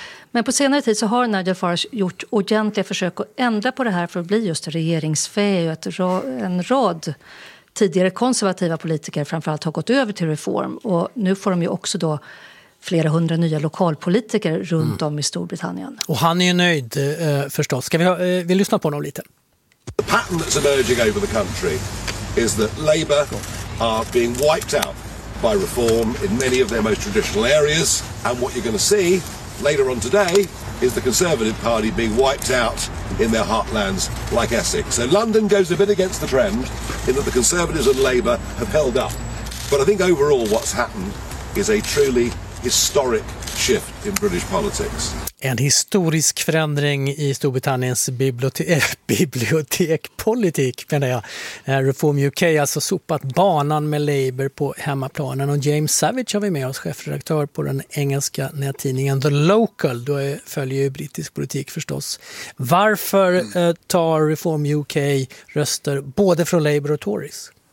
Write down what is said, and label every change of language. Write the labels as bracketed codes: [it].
[sv] Men på senare tid så har Nigel Farage gjort ordentliga försök att ändra på det här för att bli just regeringsfähig. Och en rad tidigare konservativa politiker framförallt har gått över till reform. Och nu får de ju också då flera hundra nya lokalpolitiker runt om i Storbritannien. Och han är ju nöjd förstås. Ska vi lyssna på honom lite? [en] The pattern that's emerging over the country is that Labour are being wiped out by reform in many of their most traditional areas. And what you're going to see later on today is the Conservative Party being wiped out in their heartlands like Essex. So London goes a bit against the trend in that the Conservatives and Labour have held up. But I think overall what's happened is a truly historic shift in British politics. [sv] En historisk förändring i Storbritanniens bibliotekpolitik, menar jag. Reform UK har alltså sopat banan med Labour på hemmaplanen. Och James Savage har vi med oss, chefredaktör på den engelska nättidningen The Local. Då följer ju brittisk politik förstås. Varför tar Reform UK röster både från Labour och Tories?